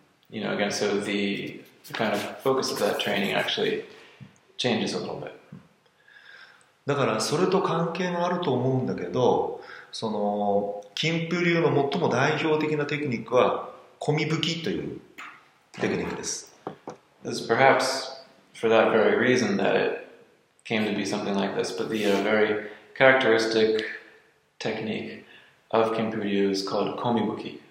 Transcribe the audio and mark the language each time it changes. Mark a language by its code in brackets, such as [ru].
[en] You know, again, so the kind of focus of that training actually changes a little bit. [ja] だからそれと関係があると思うんだけど、その金風流の最も代表的なテクニックは込み吹きというテクニックです。 [en] This is perhaps for that very reason that it came to be something like this, but the very characteristic technique of 金風流 is called 込み吹き。